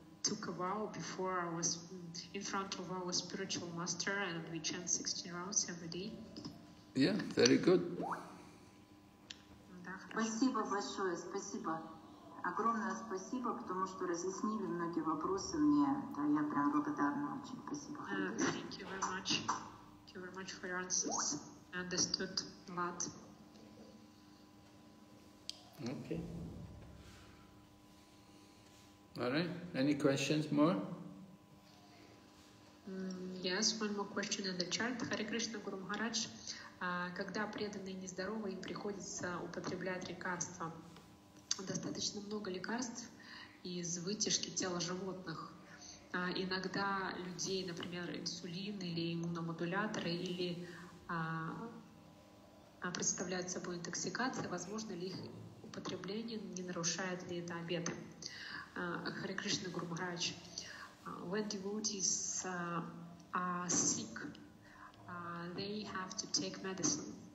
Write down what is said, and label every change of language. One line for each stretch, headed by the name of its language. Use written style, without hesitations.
English: took a vow before I was in front of our spiritual master and we chant 16 rounds every day. Yeah, very good.
Russian: Спасибо большое, спасибо. Огромное спасибо, потому что разъяснили многие вопросы мне. Да, я прям благодарна очень. Спасибо.
English: Thank you very much. Thank you very much for your answers. I understood a lot. Okay. All right. Any questions more? Yes, one more question in the chat. Hare Krishna Guru Maharaj.
Russian: Когда преданные нездоровы, им приходится употреблять лекарства. Достаточно много лекарств из вытяжки тела животных. Иногда людей, например, инсулин или иммуномодуляторы, или представляют собой интоксикацию, возможно ли их употребление, не нарушает ли это обеты?
English: Hare Krishna Guru Maharaj, when devotees are sick, they have to take medicine.